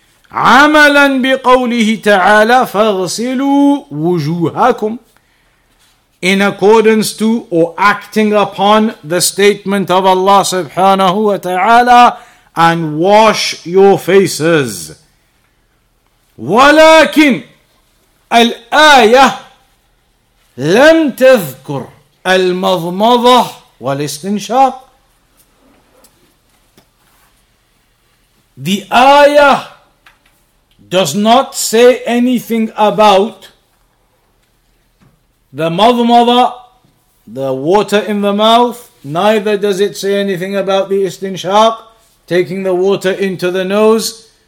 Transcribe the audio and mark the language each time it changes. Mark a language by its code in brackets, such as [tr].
[ar] عَمَلًا بِقَوْلِهِ تَعَالَى فَاغْسِلُوا وُجُوهَكُمْ. [en] In accordance to or acting upon the statement of Allah subhanahu wa ta'ala, and wash your faces. [ar] ولكن الآية لم تذكر المضمضة والاستنشاق. [en] The ayah does not say anything about the madhmada, the water in the mouth, neither does it say anything about the istinshaq, taking the water into the nose.